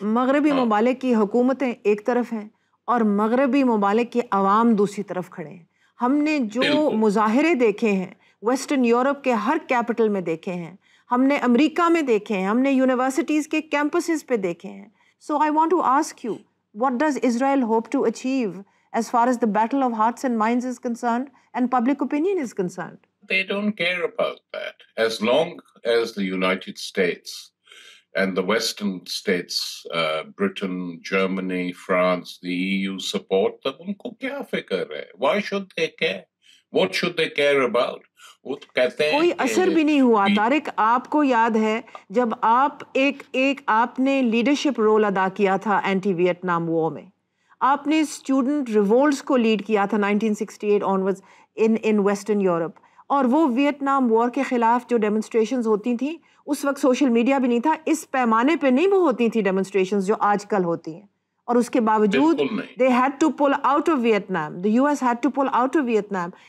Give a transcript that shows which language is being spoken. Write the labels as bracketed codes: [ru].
[ur] مغربی ممالک کی حکومتیں ایک طرف ہیں اور مغربی ممالک کے عوام دوسری طرف کھڑے ہیں. ہم نے جو مظاہرے دیکھے ہیں ویسٹرن یورپ کے ہر کیپٹل میں دیکھے ہیں, ہم نے امریکہ میں دیکھے ہیں, ہم نے یونیورسٹیز کے کیمپسز پہ دیکھے ہیں. [en] So I want to ask you, what does Israel hope to achieve as far as the battle of hearts and minds is concerned and public opinion is concerned? They don't care about that. As long as the United States and the Western states, Britain, Germany, France, the EU support them, [ur] unko kya fikar hai? [en] Why should they care? What should they care about? [ur] کوئی اثر بھی نہیں ہوا. طارق آپ کو یاد ہے جب آپ نے لیڈرشپ رول ادا کیا تھا اینٹی ویتنام وار میں, آپ نے اسٹوڈنٹ ریولٹس کو لیڈ کیا تھا 1968 [en] onwards in Western Europe, [ur] اور وہ ویتنام وار کے خلاف جو ڈیمونسٹریشنز ہوتی تھیں, اس وقت سوشل میڈیا بھی نہیں تھا اس پیمانے پہ, نہیں وہ ہوتی تھیں ڈیمونسٹریشنز جو آج کل ہوتی ہیں, اور اس کے باوجود [en] They had to pull out of Vietnam, the U S had to pull out of Vietnam.